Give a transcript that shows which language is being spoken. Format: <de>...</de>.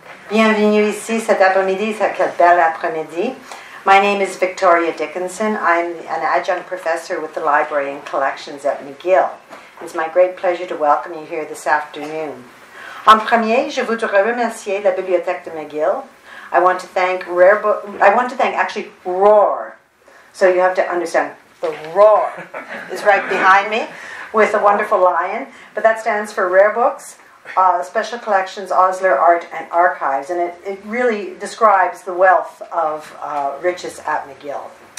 <fr>Bienvenue ici cet après-midi, cet bel après-midi.</fr> <en>My name is Victoria Dickenson. I'm an adjunct professor with the Library and Collections at McGill. It's my great pleasure to welcome you here this afternoon.</en> <fr>En premier, je voudrais remercier la bibliothèque de McGill.</fr> <en>I want to thank Roar. So you have to understand, the Roar is right behind me with a wonderful lion, but that stands for Rare Books, Special Collections, Osler Art and Archives, and it really describes the wealth of riches at McGill.</en>